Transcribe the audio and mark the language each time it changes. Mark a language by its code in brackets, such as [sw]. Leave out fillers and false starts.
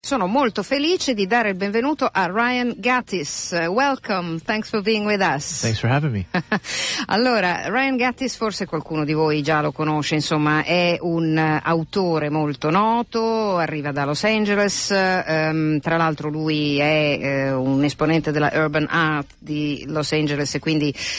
[it] Sono molto felice di dare il benvenuto a Ryan Gatiss. [en] Welcome, thanks for being with us. Thanks for having me. [it] Allora, Ryan Gatiss, forse qualcuno di voi già lo conosce, insomma, è un autore molto noto, arriva da Los Angeles, tra l'altro lui è un esponente della urban art di Los Angeles e quindi,